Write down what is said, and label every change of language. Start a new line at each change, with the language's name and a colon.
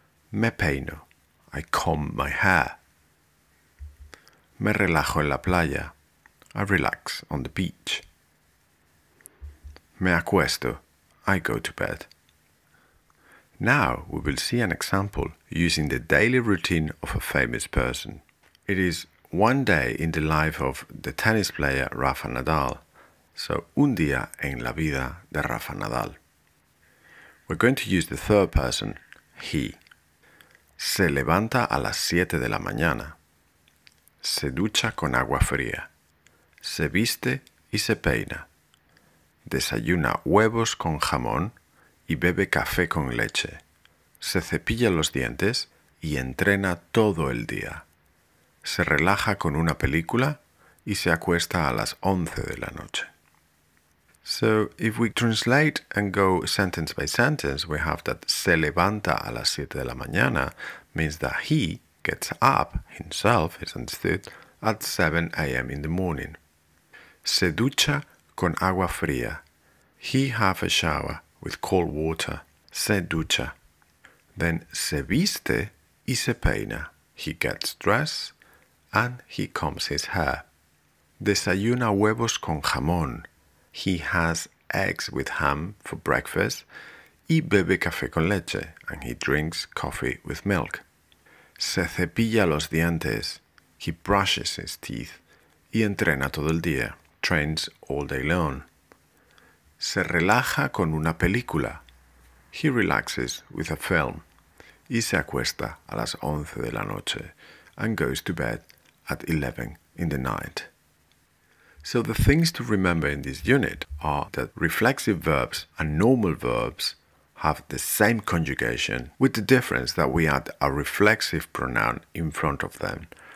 Spanish: Me peino,
English: I comb my hair.
Spanish: Me relajo en la playa,
English: I relax on the beach.
Spanish: Me acuesto.
English: I go to bed. Now we will see an example using the daily routine of a famous person. It is one day in the life of the tennis player Rafa Nadal.
Spanish: So, un día en la vida de Rafa Nadal.
English: We're going to use the third person, he.
Spanish: Se levanta a las 7 de la mañana. Se ducha con agua fría. Se viste y se peina. Desayuna huevos con jamón y bebe café con leche. Se cepilla los dientes y entrena todo el día. Se relaja con una película y se acuesta a las 11 de la noche.
English: So, if we translate and go sentence by sentence, we have that
Spanish: se levanta a las 7 de la mañana
English: means that he gets up, himself, is understood, at 7 a.m. in the morning.
Spanish: Se ducha con agua fría.
English: He have a shower with cold water.
Spanish: Se ducha. Then se viste y se peina.
English: He gets dressed and he combs his hair.
Spanish: Desayuna huevos con jamón.
English: He has eggs with ham for breakfast.
Spanish: Y bebe café con leche.
English: And he drinks coffee with milk.
Spanish: Se cepilla los dientes.
English: He brushes his teeth.
Spanish: Y entrena todo el día.
English: Trains all day long.
Spanish: Se relaja con una película.
English: He relaxes with a film.
Spanish: Y se acuesta a las 11 de la noche.
English: And goes to bed at 11 in the night. So the things to remember in this unit are that reflexive verbs and normal verbs have the same conjugation with the difference that we add a reflexive pronoun in front of them.